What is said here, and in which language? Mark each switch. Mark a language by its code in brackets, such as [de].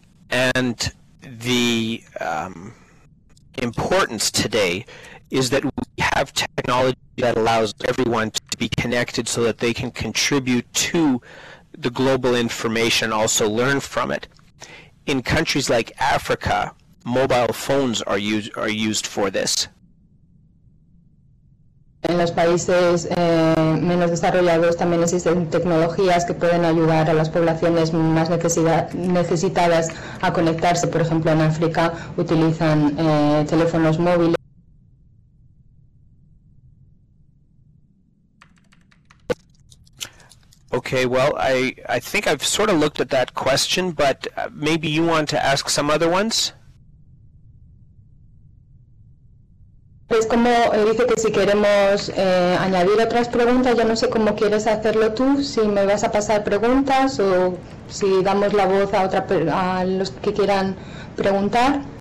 [en] And the importance today is that we have technology that allows everyone to be connected so that they can contribute to the global information, also learn from it. In countries like Africa, mobile phones are used for this. [es] En los países menos desarrollados también existen tecnologías que pueden ayudar a las poblaciones más necesitadas a conectarse. Por ejemplo, en África utilizan teléfonos móviles. [en] Ok, Okay, well, I think I've sort of looked at that question, but maybe you want to ask some other ones? [es] Pues como dice que si queremos añadir otras preguntas, yo no sé cómo quieres hacerlo tú, si me vas a pasar preguntas o si damos la voz a otra a los que quieran preguntar.